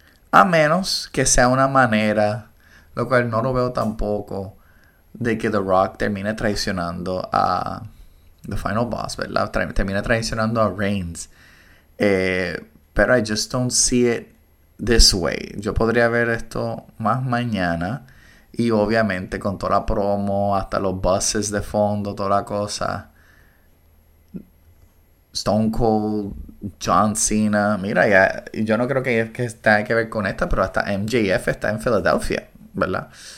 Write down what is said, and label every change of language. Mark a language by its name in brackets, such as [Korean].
[Spanish] A menos que sea una manera, lo cual no lo veo tampoco, de que The Rock termine traicionando a The Final Boss, ¿verdad? Termine traicionando a Reigns. Pero [English] I just don't see it this way. [Spanish] Yo podría ver esto más mañana. Y obviamente con toda la promo, hasta los buses de fondo, toda la cosa. Stone Cold, John Cena. Mira, ya, yo no creo que tenga que ver con esta, pero hasta MJF está en Filadelfia, ¿verdad?